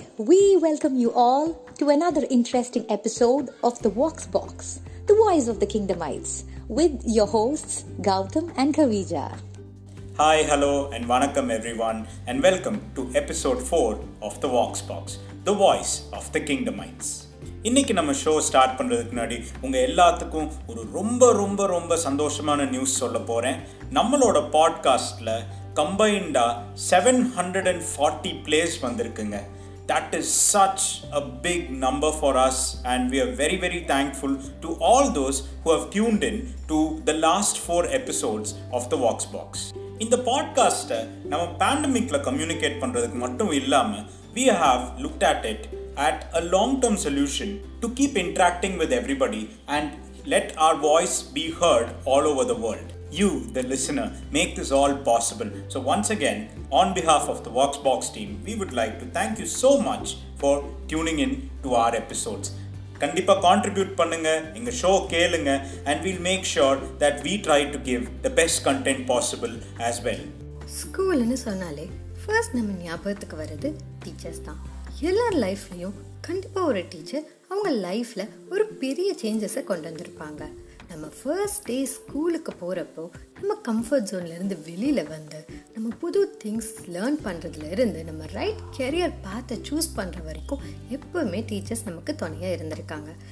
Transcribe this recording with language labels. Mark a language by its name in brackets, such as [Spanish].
[English] We welcome you all to another interesting episode of the Vox Box, the voice of the Kingdomites, with your hosts Gautam and Kavija. Hi, hello, and vanakkam everyone, and welcome to episode 4 of the Vox Box, the voice of the Kingdomites. [Tamil] இன்னைக்கு நம்ம show start பண்ணுறதுக்கு முன்னாடி உங்கள் எல்லாத்துக்கும் ஒரு ரொம்ப ரொம்ப ரொம்ப சந்தோஷமான நியூஸ் சொல்ல போகிறேன். நம்மளோட பாட்காஸ்டில் கம்பைன்டாக 740 பிளேஸ் வந்திருக்குங்க. [English] That is such a big number for us and we are very very thankful to all those who have tuned in to the last 4 episodes of the Vox Box. [Tamil] இந்த பாட்காஸ்ட்டை நம்ம பேண்டமிக்கில் communicate பண்ணுறதுக்கு மட்டும் இல்லாமல் [English] We have looked at it at a long-term solution to keep interacting with everybody and let our voice be heard all over the world. You, the listener, make this all possible. So once again, on behalf of the VoxBox team, we would like to thank you so much for tuning in to our episodes. [Tamil] Kandipa contribute pannunga, inga show kelunga, [English] and we'll make sure that we try to give the best content possible as well. [Tamil] School nu sonnale, first nam niyapathukku varadhu teachers dhaan. எல்லார் லைஃப்லேயும் கண்டிப்பாக ஒரு teacher அவங்க லைஃப்பில் ஒரு பெரிய சேஞ்சஸை கொண்டு வந்திருப்பாங்க. நம்ம ஃபர்ஸ்ட் டே ஸ்கூலுக்கு போகிறப்போ நம்ம கம்ஃபர்ட் ஜோன்லேருந்து வெளியில் வந்து நம்ம புது திங்ஸ் லேர்ன் பண்ணுறதுலேருந்து நம்ம ரைட் கெரியர் பாத்தை சூஸ் பண்ணுற வரைக்கும் எப்போவுமே டீச்சர்ஸ் நமக்கு துணையாக இருந்திருக்காங்க.